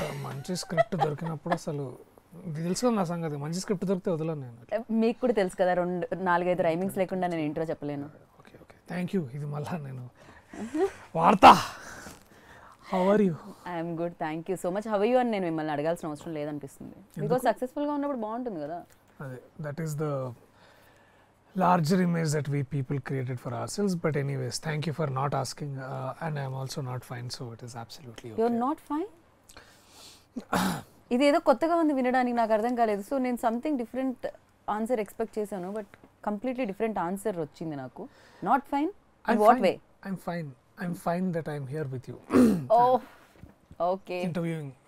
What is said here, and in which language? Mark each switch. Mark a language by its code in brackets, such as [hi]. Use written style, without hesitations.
[te] మంచి స్క్రిప్ట్ దొరికినప్పుడు అసలు తెలుసు కదా నా సంగతి, మంచి స్క్రిప్ట్ దొరికితే వదలను నేను. మీకు కూడా తెలుసు కదా, రెండు నాలుగైదు రైమింగ్స్ లేకుండా నేను ఇంట్రో చెప్పలేను. [en] Okay okay, thank you. [te] ఇది మళ్ళా నేను వార్తా. [en] How are you? I'm good, thank you so much. How are you [te] అని నేను మిమ్మల్ని అడగాల్సిన అవసరం లేదనిపిస్తుంది, బికాస్ సక్సెస్ఫుల్గా ఉన్నప్పుడు బాగుంటుంది కదా. [en] అదే, that is the larger image that we people created for ourselves. But anyways, thank you for not asking, and I am also not fine, so it is absolutely okay. You're not fine? [te] ఇది ఏదో కొత్తగా ఉంది వినడానికి, నాకు అర్థం కాలేదు. So నేను something different answer expect చేశాను, బట్ కంప్లీట్లీ డిఫరెంట్ ఆన్సర్ వచ్చింది నాకు. [en] Not fine in what way? I am fine, I am fine that I am here with you. Oh okay. Interviewing